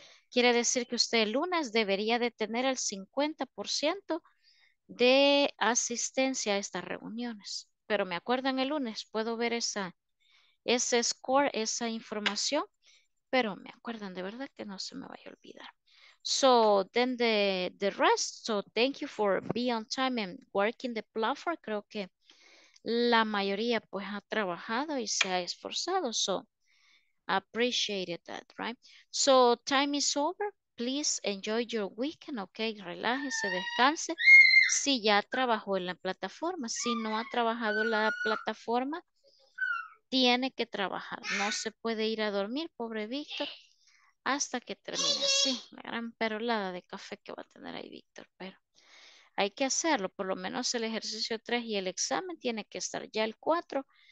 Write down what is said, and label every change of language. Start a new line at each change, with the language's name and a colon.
Spanish: Quiere decir que usted el lunes debería de tener el 50% de asistencia a estas reuniones. Pero me acuerdan el lunes, puedo ver ese score, esa información, pero me acuerdan de verdad que no se me vaya a olvidar.
English: So then the rest, so thank you for being on time and working the platform.
Spanish: Creo que la mayoría pues ha trabajado y se ha esforzado,
English: so appreciated that, right? So time is over, please enjoy your weekend, okay?
Spanish: Relájese, descanse. Si ya trabajó en la plataforma, si no ha trabajado la plataforma, tiene que trabajar, no se puede ir a dormir, pobre Víctor, hasta que termine. Sí, la gran perolada de café que va a tener ahí Víctor, pero hay que hacerlo, por lo menos el ejercicio 3 y el examen tiene que estar ya el 4.